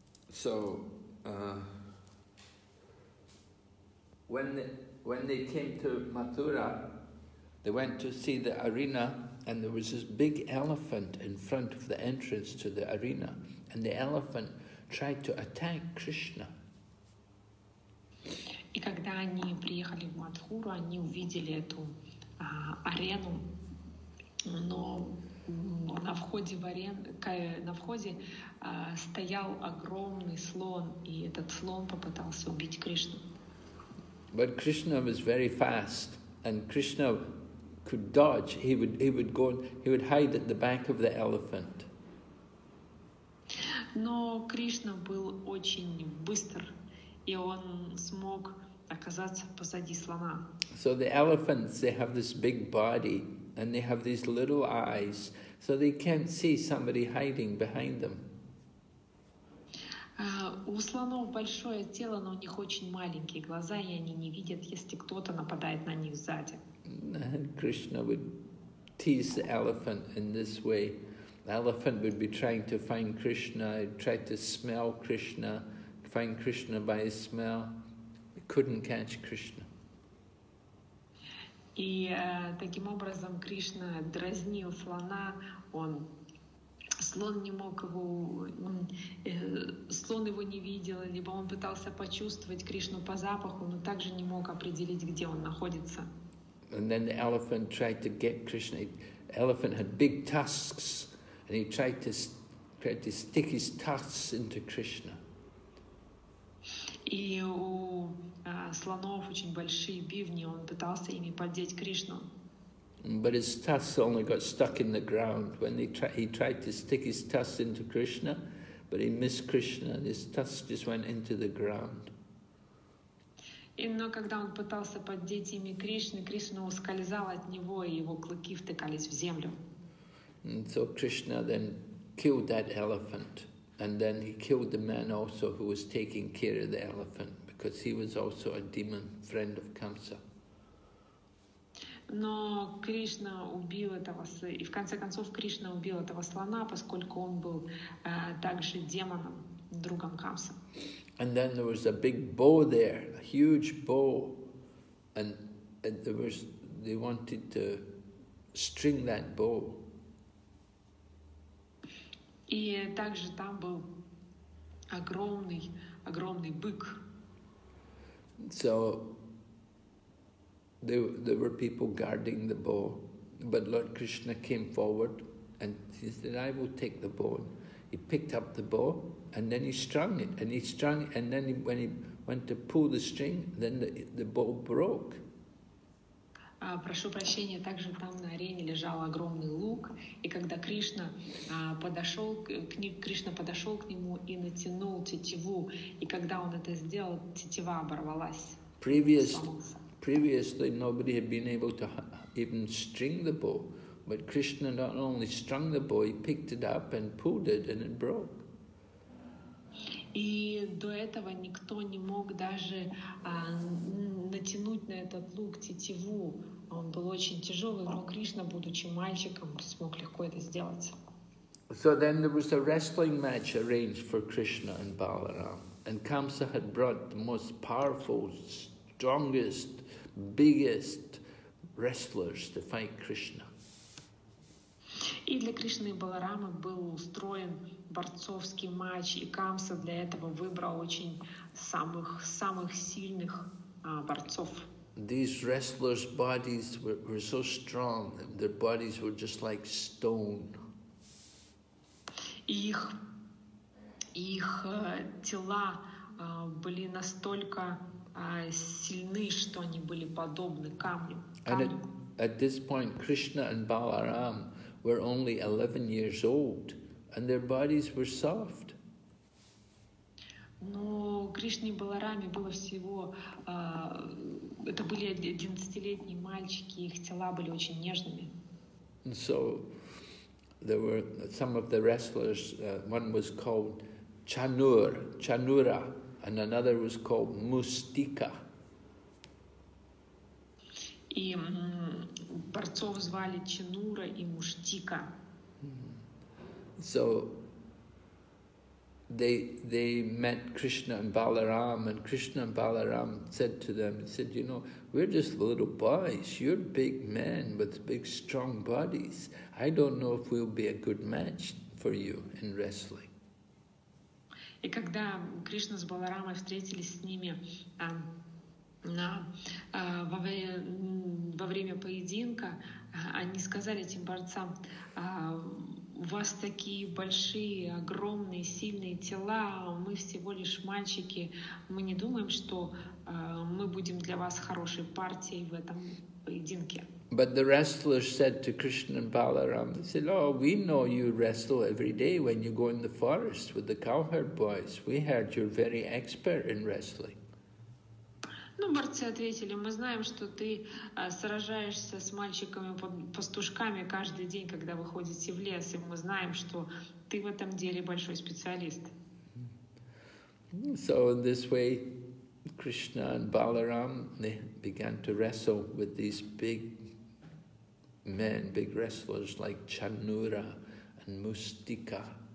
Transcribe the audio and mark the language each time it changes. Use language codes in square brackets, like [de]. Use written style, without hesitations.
[en] So, when they came to Mathura, they went to see the arena, and there was this big elephant in front of the entrance to the arena, and the elephant tried to attack Krishna. [ru] И когда они приехали в Матхуру, они увидели эту арену, но на входе стоял огромный слон, и этот слон попытался убить Кришну. [en] But Krishna was very fast, and Krishna could dodge. He would hide at the back of the elephant. [ru] Но Кришна был очень быстр, и он смог оказаться позади слона. [en] So the elephants, they have this big body, and they have these little eyes, so they can't see somebody hiding behind them. [ru] У слонов большое тело, но у них очень маленькие глаза, и они не видят, если кто-то нападает на них сзади. [en] And Krishna would tease the elephant in this way. The elephant would be trying to find Krishna, try to smell Krishna, find Krishna by his smell. Couldn't catch Krishna. [ru] И таким образом Кришна дразнил слона. Слон его не видел, либо он пытался почувствовать Кришну по запаху, но также не мог определить, где он находится. [en] And then the elephant tried to get Krishna. The elephant had big tusks, and he tried to stick his tusks into Krishna. [ru] И у слонов очень большие бивни, он пытался ими поддеть Кришну. [en] But his tusks only got stuck in the ground. When he tried to stick his tusks into Krishna, but he missed Krishna, and his tusks just went into the ground. [ru] Но когда он пытался поддеть ими Кришны, Кришна ускользал от него, и его клыки втыкались в землю. [en] And so Krishna then killed that elephant. And then he killed the man also who was taking care of the elephant, because he was also a demon friend of Kamsa. [ru] Но Кришна убил этого, и в конце концов Кришна убил этого слона, поскольку он был также демоном, другом Камса. [en] And then there was a big bow there, a huge bow, and they wanted to string that bow. [ru] И также там был огромный бык. [en] So there were people guarding the bow, but Lord Krishna came forward and he said, "I will take the bow." He picked up the bow and then he strung it, and then when he went to pull the string, then the bow broke. [ru] Прошу прощения, также там на арене лежал огромный лук, и когда Кришна подошел к нему и натянул тетиву, и когда он это сделал, тетива оборвалась. [en] Previously nobody had been able to even string the bow, but Krishna not only strung the bow, he picked it up and pulled it, and it broke. [ru] И до этого никто не мог даже натянуть на этот лук тетиву. Он был очень тяжелый, но Кришна, будучи мальчиком, смог легко это сделать. [en] So then there was a wrestling match arranged for Krishna and Balaram. And Kamsa had brought the most powerful, strongest, biggest wrestlers to fight Krishna. [ru] И для Кришны Баларамы был устроен борцовский матч, и Камса для этого выбрал очень самых сильных борцов. [en] These wrestlers' bodies were so strong, their bodies were just like stone. [ru] Их тела были настолько сильны, что они были подобны камню. [en] And at this point, Krishna and Balaram were only 11 years old, and their bodies were soft. [ru] Но Кришне и Баларами было всего, это были 11-летние мальчики, их тела были очень нежными. [en] And so there were some of the wrestlers, one was called Chanura, and another was called Mustika. [ru] И борцов звали Чанура и Муштика. [en] So they met Krishna and Balaram, and Krishna and Balaram said to them, said, you know, we're just little boys, you're big men with big strong bodies. I don't know if we'll be a good match for you in wrestling. [ru] И когда Кришна с Баларамой встретились с ними во время поединка, они сказали этим борцам, у вас такие большие, огромные, сильные тела, мы всего лишь мальчики, мы не думаем, что мы будем для вас хорошей партией в этом поединке. [en] But the wrestlers said to Krishna and Balaram, they said, oh, we know you wrestle every day when you go in the forest with the cowherd boys. We heard you're very expert in wrestling. [ru] Ну, борцы ответили, мы знаем, что ты сражаешься с мальчиками-пастушками каждый день, когда выходите в лес, и мы знаем, что ты в этом деле большой специалист. [en] So in this way, Krishna and Balaram, they began to wrestle with these big men, big wrestlers like Chanura and Mustika.